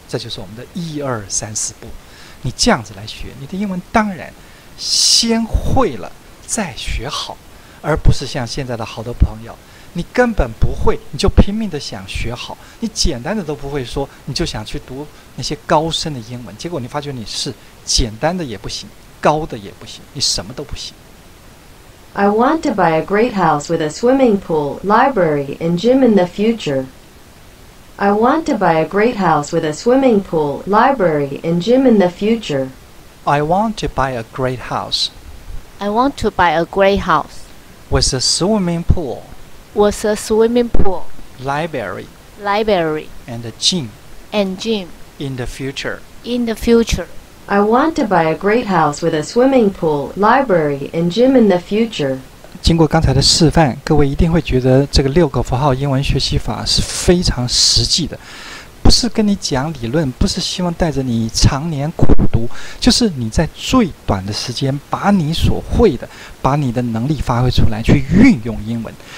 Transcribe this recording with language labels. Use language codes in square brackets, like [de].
[zh] 这就是我们的1234步，你这样子来学，你的英文当然先会了再学好，而不是像现在的好多朋友，你根本不会你就拼命的想学好，你简单的都不会说，你就想去读那些高深的英文，结果你发觉你是简单的也不行，高的也不行，你什么都不行。 [en] I want to buy a great house with a swimming pool, library, and gym in the future. I want to buy a great house with a swimming pool, library, and gym in the future. I want to buy a great house. I want to buy a great house. With a swimming pool. Was a swimming pool, library, library, and a gym, and gym. In the future, in the future, I want to buy a great house with a swimming pool, library, and gym in the future. [zh] 经过刚才的示范，各位一定会觉得这个六个符号英文学习法是非常实际的，不是跟你讲理论，不是希望带着你常年苦读，就是你在最短的时间把你所会的，把你的能力发挥出来，去运用英文。